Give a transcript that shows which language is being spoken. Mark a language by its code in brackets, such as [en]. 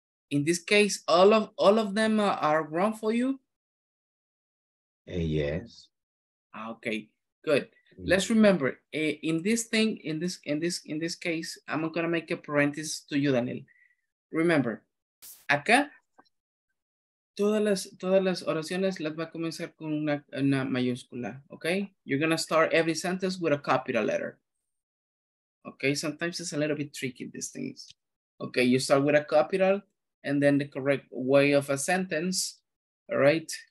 [en] In this case, all of them are wrong for you? Yes. Okay, good. Let's remember, in this case, I'm gonna make a parenthesis to you, Daniel. [es] Remember, acá, todas las oraciones las va a comenzar con una mayúscula, okay? [en] You're gonna start every sentence with a capital letter. Okay, sometimes it's a little bit tricky, these things. Okay, you start with a capital, and then the correct way of a sentence, all right?